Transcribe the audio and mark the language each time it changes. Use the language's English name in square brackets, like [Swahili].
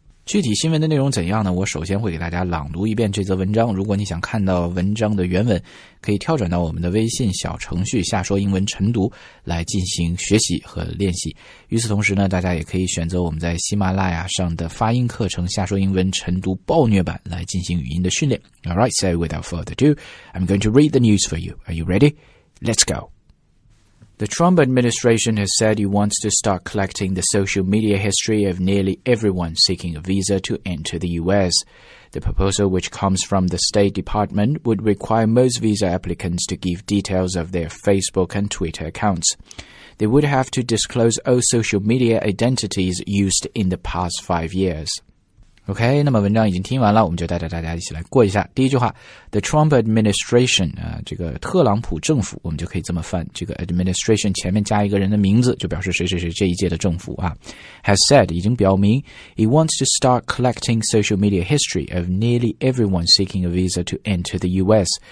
[Chinese] 具体新闻的内容怎样呢？我首先会给大家朗读一遍这则文章。如果你想看到文章的原文，可以跳转到我们的微信小程序下说英文晨读来进行学习和练习。与此同时呢，大家也可以选择我们在喜马拉雅上的发音课程下说英文晨读暴虐版来进行语音的训练。 [English] Alright, so without further ado, I'm going to read the news for you. Are you ready? Let's go! The Trump administration has said it wants to start collecting the social media history of nearly everyone seeking a visa to enter the U.S. The proposal, which comes from the State Department, would require most visa applicants to give details of their Facebook and Twitter accounts. They would have to disclose all social media identities used in the past 5 years. [Chinese] OK, 那么文章已经听完了，我们就带着大家一起来过一下。第一句话 ,The Trump Administration, 啊，这个特朗普政府，我们就可以这么翻，这个 Administration 前面加一个人的名字，就表示谁谁谁这一届的政府啊。 [English] Has said, [Chinese] 已经表明 [English] ,He wants to start collecting social media history of nearly everyone seeking a visa to enter the US.